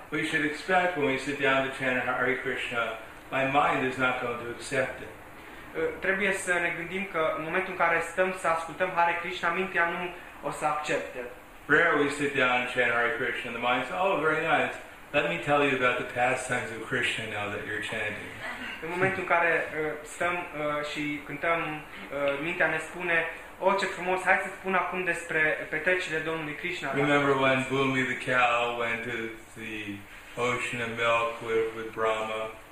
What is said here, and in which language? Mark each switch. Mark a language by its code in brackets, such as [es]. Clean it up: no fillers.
[en] We should expect when we sit down to chant Hare Krishna, my mind is not going to accept it. [ro] Trebuie să ne gândim că în momentul în care stăm să ascultăm Hare Krishna, mintea nu o să accepte. [en] Rarely we sit down and chant Hare Krishna and the mind says, oh, very nice, Let me tell you about the pastimes of Krishna now that you're chanting. [ro] În momentul în care stăm și cântăm, mintea ne spune, o, ce frumos, hai să spun acum despre petrecerile Domnului Krishna. [en] Remember when Bhumi the cow went to the ocean of milk with Brahma?